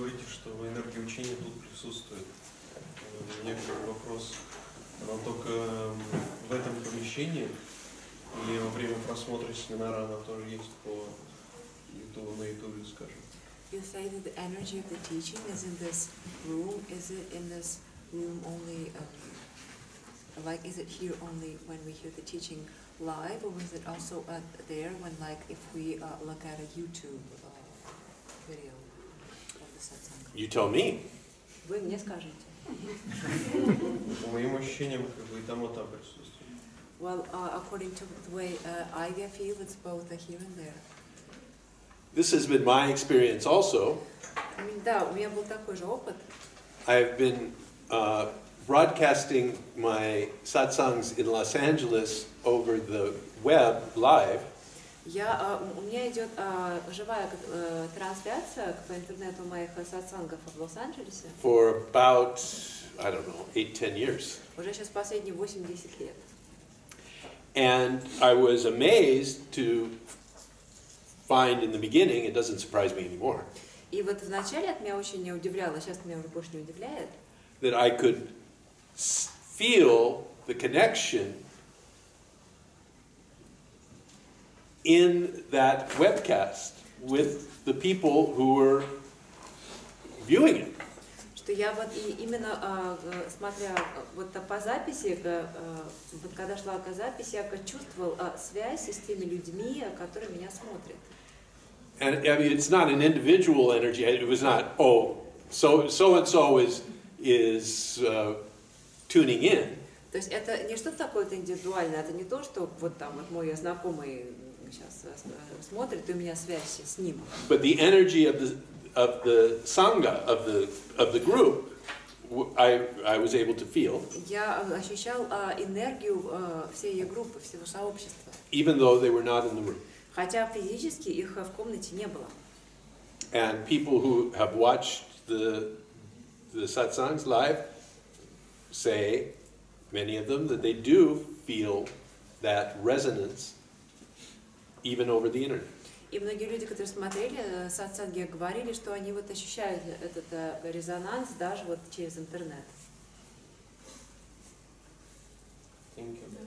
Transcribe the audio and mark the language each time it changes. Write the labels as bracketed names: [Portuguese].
[Russian] что в энергии учения тут присутствует. Некоторый вопрос, но только в этом помещении или во время просмотра семинара она тоже есть по YouTube, на YouTube, скажем. [English] You say that the energy of the teaching is in this room. Is it in this room only, like, is it here only when we hear the teaching live, or is it also there when, like, if we look at a YouTube video of the satsang? You tell me. [Russian] Вы мне скажете. По моим ощущениям, как бы и там, и там присутствует. [English] Well, according to the way I feel, it's both here and there. This has been my experience also. [Russian] Да, у меня был такой же опыт. [English] I have been broadcasting my satsangs in Los Angeles over the web live. [Russian] Я у меня идет живая трансляция по интернету моих сатсангов в Лос-Анджелесе. [English] For about, I don't know, 8-10 years. [Russian] Уже сейчас последние 8-10 лет. [English] And I was amazed to find in the beginning, it doesn't surprise me anymore. [Russian] И вот вначале это меня очень не удивляло, сейчас меня уже больше не удивляет. [English] That I could feel the connection in that webcast with the people who were viewing it. [Russian] Что я вот и именно смотря вот по записи, вот когда шла к записи, я как чувствовал связь с теми людьми, которые меня смотрят. [English] And I mean, it's not an individual energy. It was not, oh, so-and-so is tuning in. [Russian] То есть это не что-то такое-то индивидуальное. Это не то, что вот там вот мой знакомый сейчас смотрит, и у меня связь с ним. [English] But the energy of the sangha, of the group, I was able to feel. [Russian] Я ощущал энергию всей группы, всего сообщества. [English] Even though they were not in the room. [Russian] Хотя физически их в комнате не было. [English] And people who have watched the satsangs live say, many of them, that they do feel that resonance even over the internet. [Russian] И многие люди, которые смотрели сатсанги, говорили, что они вот ощущают этот резонанс даже вот через интернет. [English] Thank you.